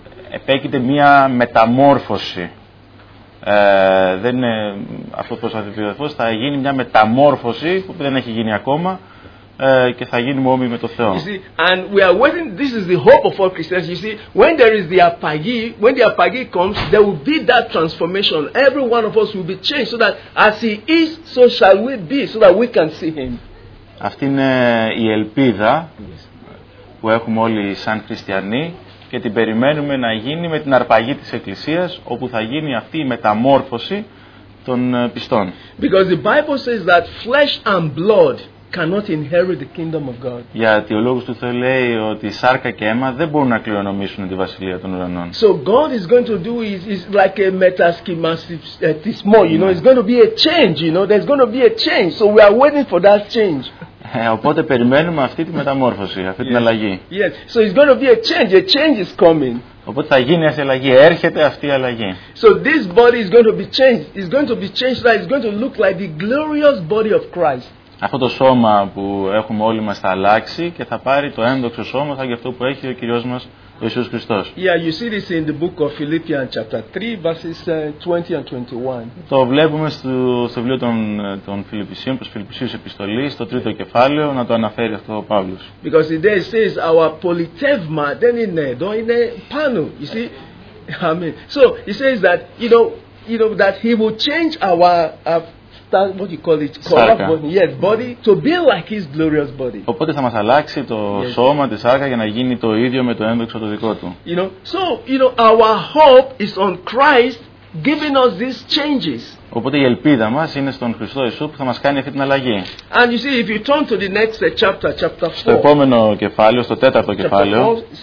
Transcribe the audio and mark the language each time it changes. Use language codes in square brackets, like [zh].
[el] Επέκειται μία μεταμόρφωση. δεν είναι αυτό που θα επιβεβαιωθεί, θα γίνει μια μεταμόρφωση που δεν έχει γίνει ακόμα και θα γίνουμε όμοιοι με το Θεό. [en] You see, and we are waiting, this is the hope of all Christians. You see, when there is the apagi, when the apagi comes, there will be that transformation. Every one of us will be changed so that as he is, so shall we be, so that we can see him. [el] Αυτή είναι η ελπίδα που έχουμε όλοι σαν χριστιανοί και την περιμένουμε να γίνει με την αρπαγή της Εκκλησίας, όπου θα γίνει αυτή η μεταμόρφωση των πιστών. [en] Because the Bible says that flesh and blood cannot inherit the kingdom of God. [el] Γιατί ο λόγος του Θεού λέει ότι σάρκα και αίμα δεν μπορούν να κληρονομήσουν τη βασιλεία των ουρανών. [en] So God is going to do is like a metaschemasismo, you know, it's going to be a change, you know, there's going to be a change. So we are waiting for that change. [el] Οπότε περιμένουμε αυτή τη μεταμόρφωση, αυτή την αλλαγή. [en] Yes. So it's going to be a change is coming. [el] Οπότε θα γίνει αυτή η αλλαγή, έρχεται αυτή η αλλαγή. [en] So this body is going to be changed. It's going to be changed that it's going to look like the glorious body of Christ. [el] Αυτό το σώμα που έχουμε όλοι μας θα αλλάξει και θα πάρει το ένδοξο σώμα σαν και αυτό που έχει ο Κυριός μας ο Ιησούς Χριστός. [en] Yeah, you see this in the book of Philippians chapter 3 verses 20 and 21. [el] Το βλέπουμε στο βιβλίο των Φιλιππισίων, προς Φιλιππισίους επιστολή, στο τρίτο κεφάλαιο, να το αναφέρει αυτό ο Παύλος. [en] Because it says our [el] πολιτεύμα δεν είναι εδώ, είναι πάνω. [en] You see? Amen. So, he says that, you know that he will change our body to be like his glorious body. [el] Οπότε θα μας αλλάξει το σώμα της σάρκα για να γίνει το ίδιο με το ένδοξο το δικό του. [en] You know, so you know our hope is on Christ giving us these changes. [el] Οπότε η ελπίδα μας είναι στον Χριστό Ιησού που θα μας κάνει αυτή την αλλαγή. [en] And you see, if you turn to the next chapter 4. [el] Στο επόμενο κεφάλαιο, στο τέταρτο κεφάλαιο.